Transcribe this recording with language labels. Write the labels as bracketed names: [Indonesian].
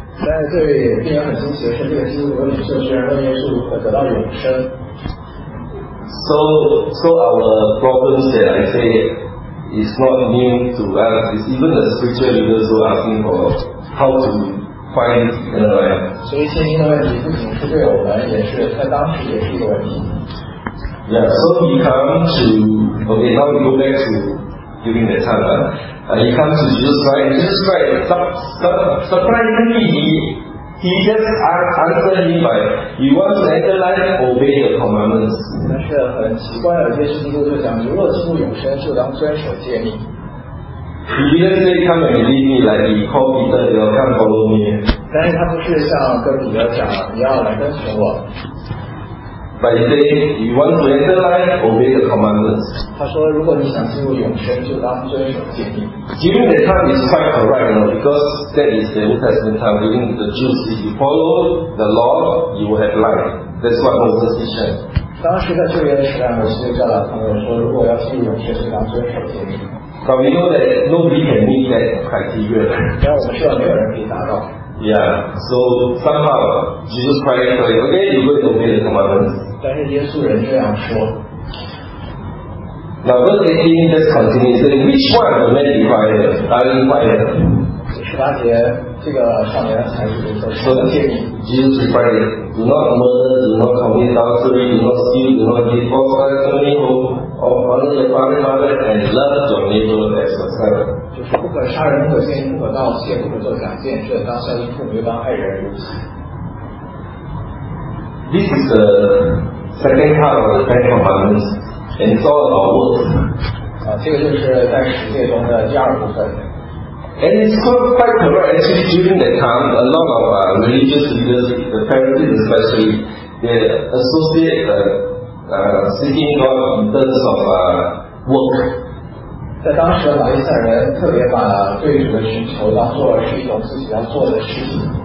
[Chinese] 但对于信仰很新奇的是，这个基督徒领袖居然问耶稣如何得到永生。 [English] So our problems that I say is not new to us. It's even the spiritual leaders who are asking for how to find eternal life. [Chinese] 所以信心的问题不仅是对我们，也是在当时也是一个问题。 [English] Yeah, so he comes to, okay, now we go back to during that time, he comes to Jesus Christ, surprisingly, he just answered him by, you want to enter life, obey the commandments. [Chinese] 但是很奇怪的，耶稣基督就讲，你若进入永生，就当遵守诫命。 [English] He didn't say come and lead me, like he called Peter, you know, come follow me. [Chinese] 但是他不是像跟彼得讲，你要来跟随我。 [English] But he said, you want to enter life, obey the commandments. [Chinese] 他说，如果你想进入永生，就当遵守诫命。 [English] During that time is quite correct, you know, because that is the Old Testament time. During the Jews, if you follow the law, you will have life. That's what Moses said. [Chinese] 当时在旧约时代，摩西就教导他们说，如果要进入永生，就当遵守诫命。 [English] But we know that nobody can meet that criteria. [Chinese] 但我们希望没有人可以达到。 [English] Yeah, so somehow Jesus Christ said, like, okay, you go and obey the commandments. [Chinese] 但是耶稣仍这样说。 [English] Now verse 18 just continues, saying, which one of the men required? Are you required? [Chinese] 18节，这个少年才是说，所以 [English] Jesus replied, do not murder, do not commit adultery, do not steal, do not give false testimony, honor your father and mother, and love your neighbor as yourself. [Chinese] 就是不可杀人，不可奸淫，不可盗窃，不可作假见证，当孝敬父母，又当爱人如己。 [English] This is the second part of the Ten Commandments, and it's all about works. [Chinese] 这个就是在十诫中的第二部分。 [English] And it's quite correct, actually during that time, a lot of religious leaders, the Pharisees especially, they associate seeking God in terms of work. [Chinese] 在当时马利赛人特别把对主的寻求当作是一种自己要做的事情。